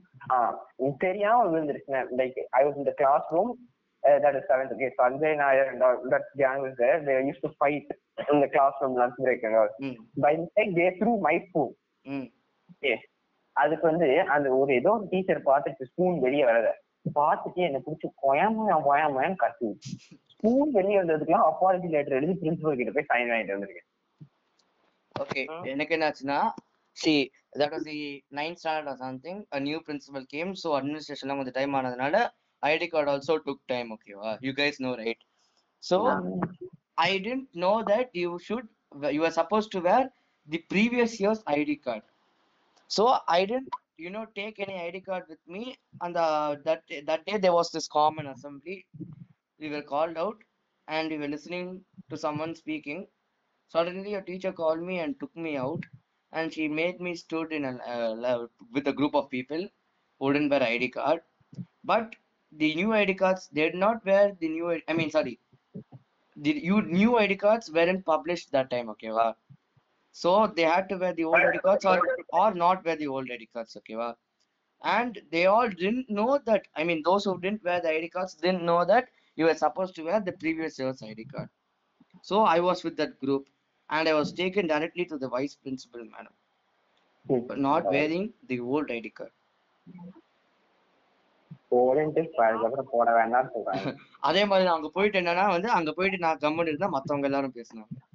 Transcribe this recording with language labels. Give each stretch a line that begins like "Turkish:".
English: I was in the classroom, that is 7th grade. Sanjay and I, and that gang was there. They used to fight in the classroom lunch break and all. By the way, they threw my spoon.
Tamil: அதுக்கு வந்து அந்த ஒரு ஏதோ teacher பார்த்துட்டு spoon வெளியே வரத பார்த்துட்டு என்ன பிடிச்சி கொயாமயம் கத்து ஸ்பூன் வெளியே வந்ததுக்கெல்லாம் அப்பாலஜி லெட்டர் எழுதி பிரின்சிபல் கிட்ட போய் சைன் வாங்கிட்டு வந்திருக்கேன்.
English: okay,
Tamil: எனக்கு என்ன ஆச்சுன்னா,
English: see that was the 9th standard or something, a new principal came, so அட்மினிஸ்ட்ரேஷன்லாம்
Tamil: கொஞ்சம் டைம் ஆனதுனால
English: ID card also took time. ஓகேவா, you guys know right. So I didn't know that you are suppose to wear the previous years ID card. So I didn't, you know, take any ID card with me. And that day there was this common assembly. We were called out and we were listening to someone speaking. Suddenly a teacher called me and took me out. And she made me stood in with a group of people who didn't wear ID card. But the new ID cards, they did not wear the new, I mean, sorry. New ID cards weren't published that time, okay? Wow. So they had to wear the old ID cards or not wear the old ID cards, okay? Wow. And they all didn't know that, I mean, those who didn't wear the ID cards didn't know that you were supposed to wear the previous year's ID card. So I was with that group and I was taken directly to the vice principal, madam, but not wearing the old ID card.
Tamil: அதே மாதிரி அங்க போயிட்டு என்னன்னா வந்து அங்க போயிட்டு நான் கம்மன் இருந்தா மத்தவங்க எல்லாரும் பேசினாங்க.